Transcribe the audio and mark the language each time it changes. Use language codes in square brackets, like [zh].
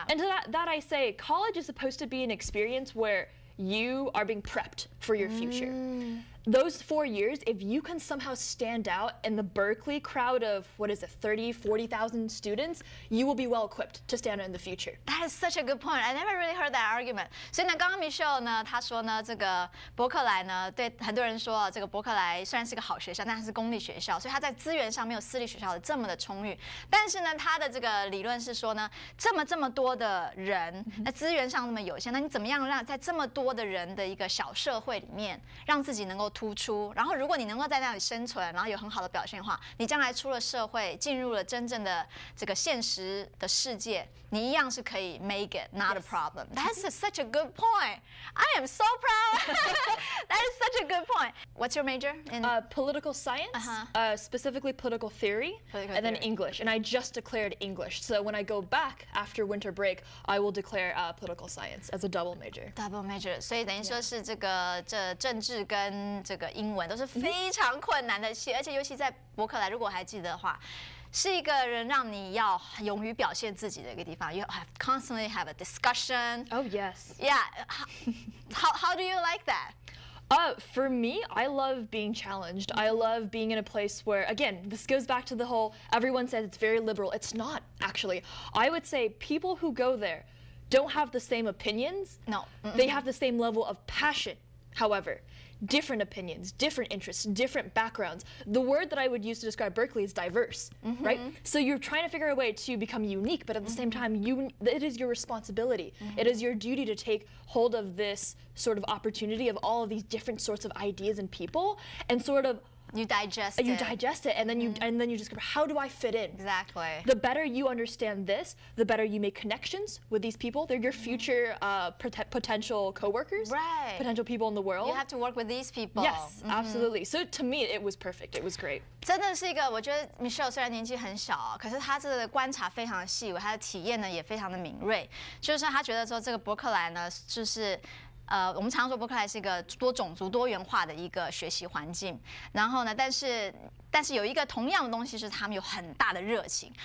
[en] And to that I say, college is supposed to be an experience where you are being prepped for your future. Those 4 years, if you can somehow stand out in the Berkeley crowd of, what is it, 30, 40,000 students, you will be well equipped to stand out in the future. That is such a good point. I never really heard that argument. [zh] 所以呢，刚刚 Michelle 呢，她说呢，这个伯克莱呢，对很多人说，这个伯克莱虽然是个好学校，但是公立学校，所以它在资源上没有私立学校的这么的充裕。但是呢，他的这个理论是说呢，这么多的人，那资源上那么有限，那你怎么样让在这么多的人的一个小社会里面，让自己能够突出，然后如果你能够在那里生存，然后有很好的表现的话，你将来出了社会，进入了真正的这个现实的世界，你一样是可以 [en] make it not a problem. That's such a good point. I am so proud. That is such a good point. What's your major in? Political science, specifically political theory, and then English. And I just declared English. So when I go back after winter break, I will declare political science as a double major. Double major. [zh] 所以等于说是这个这政治跟这个英文都是非常困难的戏，而且尤其在伯克莱，如果还记得的话，是一个人让你要勇于表现自己的一个地方。 [en] You have constantly have a discussion. Oh yes. Yeah. How do you like that? For me, I love being challenged. I love being in a place where, again, this goes back to the whole everyone says it's very liberal. It's not actually. I would say people who go there don't have the same opinions. No. They have the same level of passion. However, different opinions, different interests, different backgrounds. The word that I would use to describe Berkeley is diverse, mm-hmm. right? So you're trying to figure a way to become unique, but at the mm-hmm. same time, it is your responsibility. Mm-hmm. It is your duty to take hold of this sort of opportunity of all of these different sorts of ideas and people and sort of You digest it, and then you mm-hmm. and then you discover, how do I fit in? Exactly. The better you understand this, the better you make connections with these people. They're your future potential coworkers, right? Potential people in the world. You have to work with these people. Yes, mm-hmm. absolutely. So to me, it was perfect. It was great. [zh] 真的是一个，我觉得 Michelle 虽然年纪很小，可是她的观察非常细微，她的体验呢也非常的敏锐。就是她觉得说这个伯克莱呢，就是。我们常说伯克莱是一个多种族多元化的一个学习环境，然后呢，但是有一个同样的东西是他们有很大的热情。